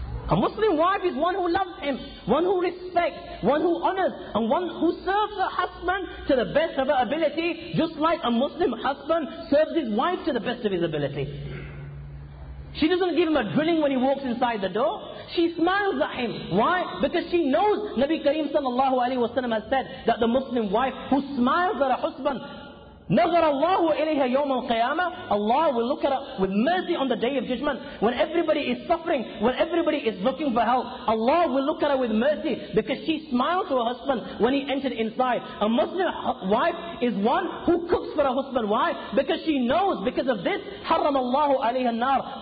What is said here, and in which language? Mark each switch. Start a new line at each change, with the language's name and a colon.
English: A Muslim wife is one who loves him, one who respects, one who honors, and one who serves her husband to the best of her ability, just like a Muslim husband serves his wife to the best of his ability. She doesn't give him a drilling when he walks inside the door. She smiles at him. Why? Because she knows Nabi Kareem sallallahu alayhi wa sallam has said that the Muslim wife who smiles at her husband,
Arabic: نظر الله إليها يوم القيامة.
English: Allah will look at it with mercy on the day of judgment. When everybody is suffering, when everybody is looking for help, Allah will look at her with mercy because she smiled to her husband when he entered inside. A Muslim wife is one who cooks for her husband. Why? Because she knows because of this,
Arabic: حرم الله عليها النار.